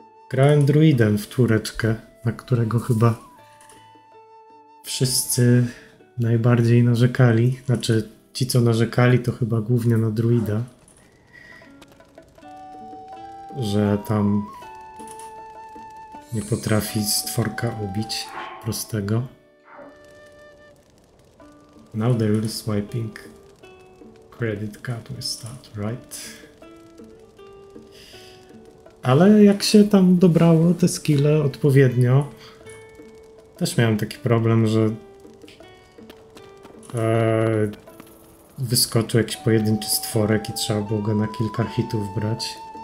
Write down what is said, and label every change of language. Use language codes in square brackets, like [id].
[pl] Grałem druidem w czwóreczkę, na którego chyba wszyscy najbardziej narzekali. Znaczy, ci co narzekali, to chyba głównie na druida. Że tam nie potrafi stworka ubić prostego. [en] Now they're really swiping credit card with start, right? [pl] Ale jak się tam dobrało te skille odpowiednio, też miałem taki problem, że wyskoczył jakiś pojedynczy stworek i trzeba było go na kilka hitów brać.